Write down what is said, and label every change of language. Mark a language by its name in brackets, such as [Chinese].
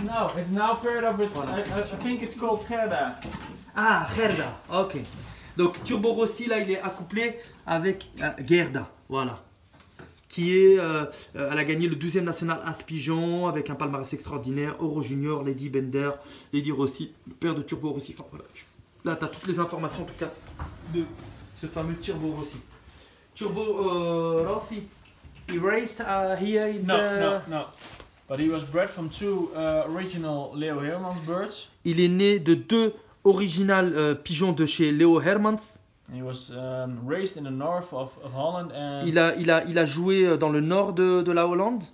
[English] No, it's now paired up with, I think it's called Gerda. Ah, Gerda, okay. [French] Donc Turbo Rossi, là, il est accouplé avec Gerda, voilà. Qui est, elle a gagné le 12e national à Spigeon avec un palmarès extraordinaire. Euro Junior, Lady Bender, Lady Rossi, le père de Turbo Rossi. Enfin, voilà, là, tu as toutes les informations en tout cas de ce fameux Turbo Rossi. [English] Turbo Rossi, il raced here in no, the... No, no, no. But he was bred from two original Léo Hermans birds. [French] Il est né de deux original pigeons de chez Léo Hermans. [English] He was raised in the north of Holland and [French] il a joué dans le nord de la Hollande.